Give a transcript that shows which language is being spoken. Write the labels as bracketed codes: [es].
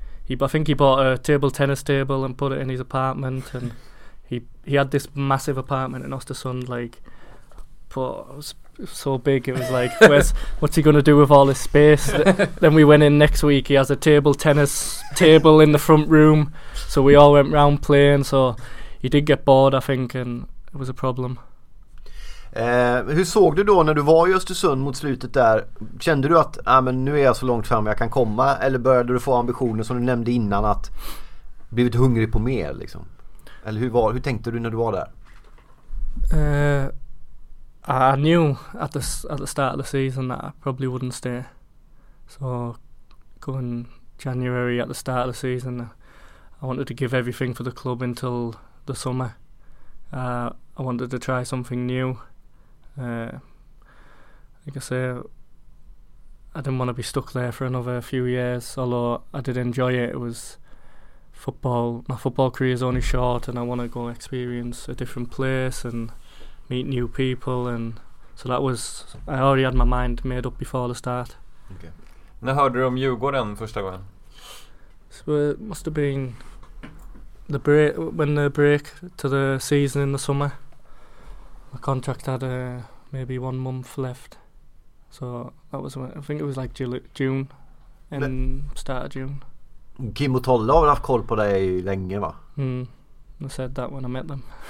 [en] I think he bought a table tennis table and put it in his apartment, and he had this massive apartment in Östersund, like, but it was so big, it was like, what's he going to do with all this space? Then we went in next week, he has a table tennis table in the front room, so we all went round playing, so he did get bored, I think, and it was a problem. [sv] Hur såg du då när du var i Östersund mot slutet där? Kände du att men nu är jag så långt fram jag kan komma, eller började du få ambitioner som du nämnde innan att blivit hungrig på mer liksom? Eller hur tänkte du när du var där? [en] I knew at the start of the season that I probably wouldn't stay. So going January at the start of the season, I wanted to give everything for the club until the summer. I wanted to try something new. Like I say, I didn't want to be stuck there for another few years, although I did enjoy it. It was football. My football career is only short, and I want to go experience a different place and meet new people. And so that was, I already had my mind made up before the start. Okay. [sv] När hörde du om Djurgården första gången? [en] So it must have been the break, when the break to the season in the summer. My contract had maybe 1 month left, so that was when, I think it was like June, in the start of June. [sv] Kim och Tolle har väl haft koll på dig länge, va? [en] Mm, I said that when I met them.